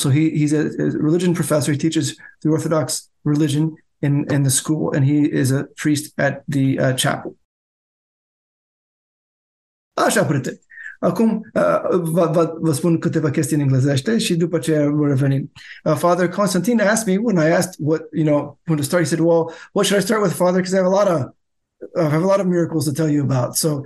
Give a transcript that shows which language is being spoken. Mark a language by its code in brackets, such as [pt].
[en] So he's a religion professor. He teaches the Orthodox religion in the school, and he is a priest at the chapel. [ro] Așa, prete. Acum vă spun câteva chestii în englezește și după ce vom reveni. [en] Father Constantine asked me when I asked when to start. He said, "Well, what should I start with, Father? Because I have a lot of miracles to tell you about.